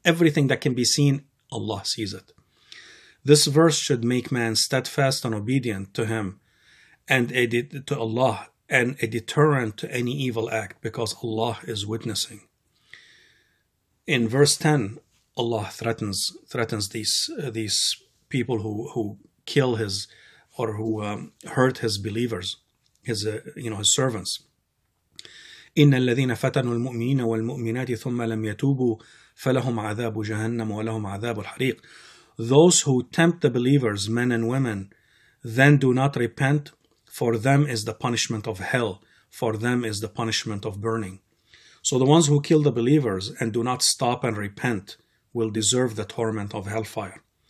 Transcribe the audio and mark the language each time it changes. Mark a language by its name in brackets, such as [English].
[English] Everything that can be seen, Allah sees it. This verse should make man steadfast and obedient to Him and to Allah, and a deterrent to any evil act, because Allah is witnessing. In verse 10, Allah threatens these people who kill His, or who hurt His believers, His you know, His servants. [Arabic] إن الذين فتنوا المؤمنين والمؤمنات ثم لم يتوبوا فلهم عذاب جهنم ولهم عذاب الحريق. [English] Those who tempt the believers, men and women, then do not repent, for them is the punishment of hell, for them is the punishment of burning. So the ones who kill the believers and do not stop and repent will deserve the torment of hellfire.